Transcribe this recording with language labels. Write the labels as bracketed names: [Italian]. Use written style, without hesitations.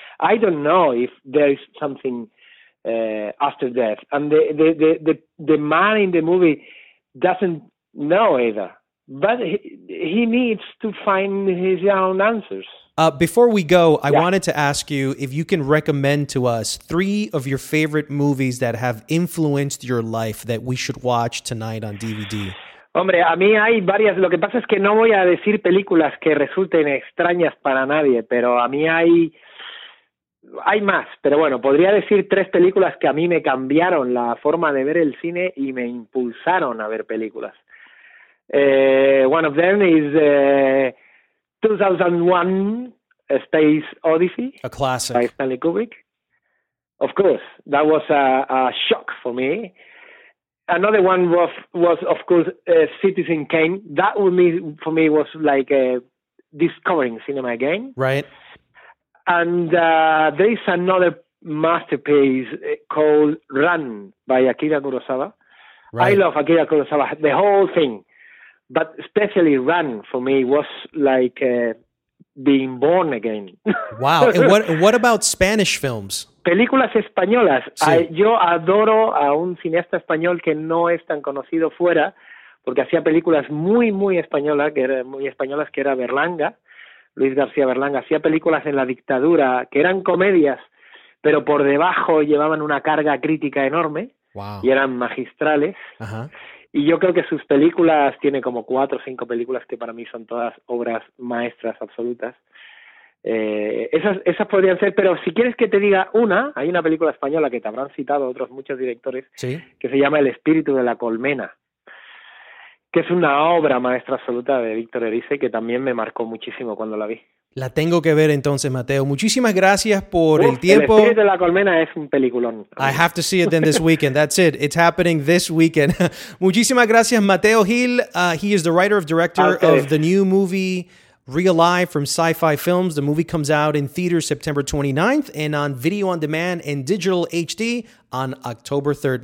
[English] I don't know if there is something after death, and the man in the movie doesn't know either, but he needs to find his own answers. Before we go, I wanted to ask you if you can recommend to us three of your favorite movies that have influenced your life that we should watch tonight on DVD. [Spanish] Hombre, a mí hay varias. Lo que pasa es que no voy a decir películas que resulten extrañas para nadie, pero a mí hay más, pero bueno, podría decir tres películas que a mí me cambiaron la forma de ver el cine y me impulsaron a ver películas. [English] One of them is 2001: A Space Odyssey. A classic. By Stanley Kubrick. Of course, that was a shock for me. Another one was of course, Citizen Kane. That for me was like discovering cinema again. Right. And there is another masterpiece called Run by Akira Kurosawa. Right. I love Akira Kurosawa, the whole thing. But especially Run for me was like being born again. Wow. And what about Spanish films? [Spanish] Películas españolas. Sí. Yo adoro a un cineasta español que no es tan conocido fuera, porque hacía películas muy, muy españolas, que era Berlanga. Luis García Berlanga hacía películas en la dictadura que eran comedias, pero por debajo llevaban una carga crítica enorme. Wow. Y eran magistrales. Uh-huh. Y yo creo que sus películas, tiene como 4 o 5 películas que para mí son todas obras maestras absolutas. Esas podrían ser, pero si quieres que te diga una, hay una película española que te habrán citado otros muchos directores, ¿sí?, que se llama El espíritu de la colmena, que es una obra maestra absoluta de Víctor Erice, que también me marcó muchísimo cuando la vi. La tengo que ver entonces, Mateo. Muchísimas gracias por el tiempo. El espíritu de la colmena es un peliculón. [English] I have to see it then this weekend. That's it. It's happening this weekend. [Spanish] Muchísimas gracias, [English] Mateo Gil. He is the writer and director of the new movie Real Life from Sci-Fi Films. The movie comes out in theaters September 29th and on video on demand and digital HD on October 3rd.